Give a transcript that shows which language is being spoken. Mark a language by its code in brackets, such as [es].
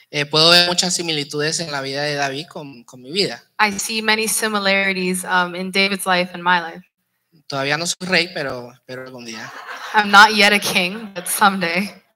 [es] Puedo ver muchas similitudes en la vida de David con mi vida. [en] I see many similarities in David's life and my life. [es] Todavía no soy rey, pero algún día. [en] I'm not yet a king, but someday.